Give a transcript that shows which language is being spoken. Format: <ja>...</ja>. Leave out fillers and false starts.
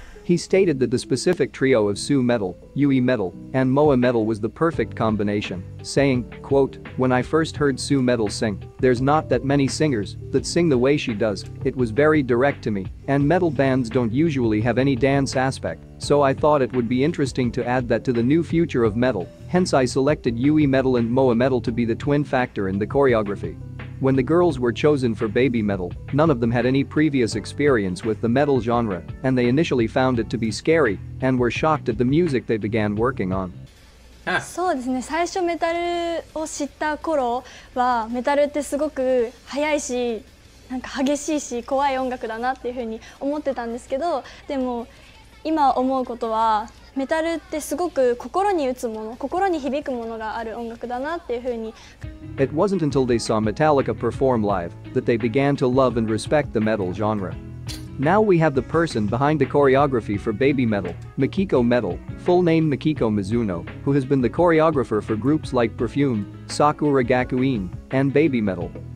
<en>He stated that the specific trio of Sue Metal, Yui Metal, and Moa Metal was the perfect combination, saying, quote, "When I first heard Sue Metal sing, there's not that many singers that sing the way she does, it was very direct to me, and metal bands don't usually have any dance aspect, so I thought it would be interesting to add that to the new future of metal, hence I selected Yui Metal and Moa Metal to be the twin factor in the choreography. When the girls were chosen for Babymetal, none of them had any previous experience with the metal genre, and they initially found it to be scary and were shocked at the music they began working on."</en> <ja>そうですね、最初メタルを知った頃はメタルってすごく速いし、なんか激しいし、怖い音楽だなっていうふうに思ってたんですけど、でも今思うことはメタルってすごく心に打つもの、心に響くものがある音楽だなっていうふうに。</ja> <en>It wasn't until they saw Metallica perform live that they began to love and respect the metal genre. Now we have the person behind the choreography for Babymetal, Makiko Metal, full name Makiko Mizuno, who has been the choreographer for groups like Perfume, Sakura Gakuin, and Babymetal.</en>